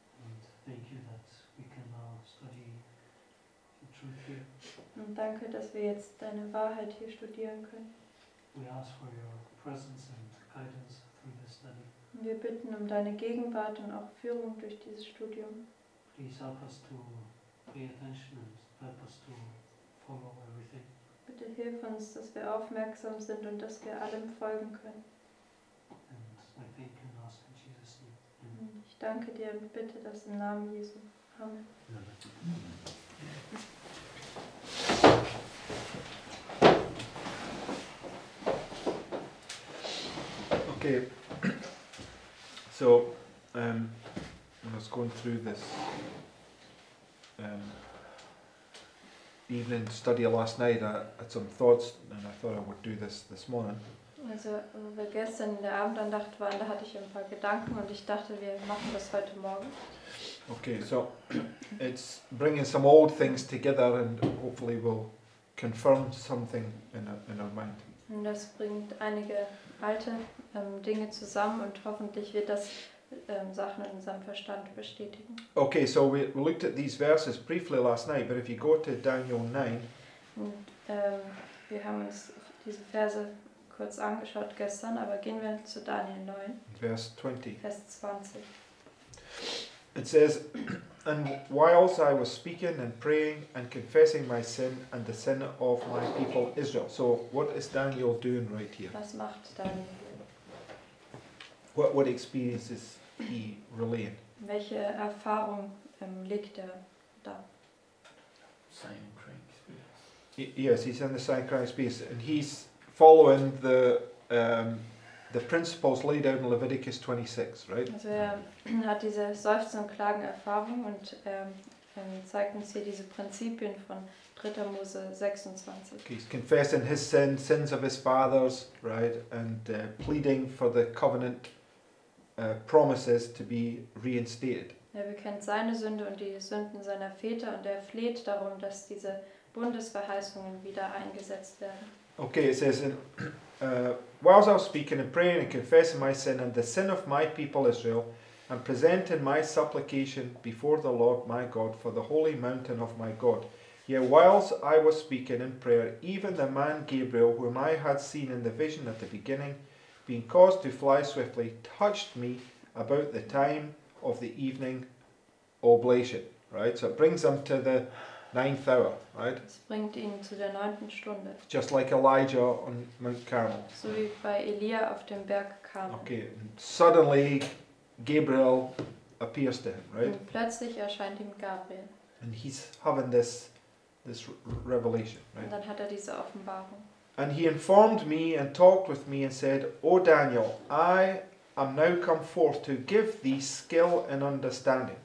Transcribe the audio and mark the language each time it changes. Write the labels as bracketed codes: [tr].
[en] And thank you that we can now study your truth here. [de] Und danke, dass wir jetzt deine Wahrheit hier studieren können. [en] We ask for your presence and guidance through this study. [de] Wir bitten um deine Gegenwart und auch Führung durch dieses Studium. [en] Please help us to pay attention and help us to follow everything. [de] Bitte hilf uns, dass wir aufmerksam sind und dass wir allem folgen können. [en] And I thank you and ask in Jesus' name. Amen. [de] Ich danke dir und bitte das im Namen Jesu. Amen. Amen. [en] Okay, so I was going through this evening study last night. I had some thoughts, and I thought I would do this morning. [de] Also, wo wir gestern in der Abendandacht waren, da hatte ich ein paar Gedanken, und ich dachte, wir machen das heute Morgen. [en] Okay, so it's bringing some old things together, and hopefully we'll confirm something in our mind. [de] Und das bringt einige alte Dinge zusammen, und hoffentlich wird das Sachen in unserem Verstand bestätigen. [en] Okay, so we looked at these verses briefly last night, but if you go to Daniel 9. [de] Und, wir haben uns diese Verse kurz angeschaut gestern, aber gehen wir zu Daniel 9. Vers 20. [en] It says, and whilst I was speaking and praying and confessing my sin and the sin of my people Israel. So what is Daniel doing right here? [de] Was macht Daniel? [en] What experience is he relaying? [de] Welche Erfahrung legt er da? [en] Same crying space. Yes, he's in the same crying space, and he's following the principles laid down in Leviticus 26, right? [de] Also er hat diese Seufzen und Klagen Erfahrung, und zeigt uns hier diese Prinzipien von 3. Mose 26. [en] Okay, he's confessing his sins of his fathers, right, and pleading for the covenant promises to be reinstated. [de] Er bekennt seine Sünde und die Sünden seiner Väter, und er fleht darum, dass diese Bundesverheißungen wieder eingesetzt werden. [en] Okay, it says, whilst I was speaking and praying and confessing my sin and the sin of my people Israel, and presenting my supplication before the Lord my God for the holy mountain of my God. Yet whilst I was speaking in prayer, even the man Gabriel, whom I had seen in the vision at the beginning, being caused to fly swiftly, touched me about the time of the evening oblation. Right? So it brings them to the 9th hour, right? [de] Es bringt ihn zu der 9. Stunde. [en] Just like Elijah on Mount Carmel. [de] So wie bei Elia auf dem Berg Carmel. [en] Okay, and suddenly Gabriel appears to him, right? [de] Und plötzlich erscheint ihm Gabriel. [en] And he's having this revelation, right? [de] Und dann hat er diese Offenbarung. [en] And he informed me and talked with me and said, O Daniel, I am now come forth to give thee skill and understanding.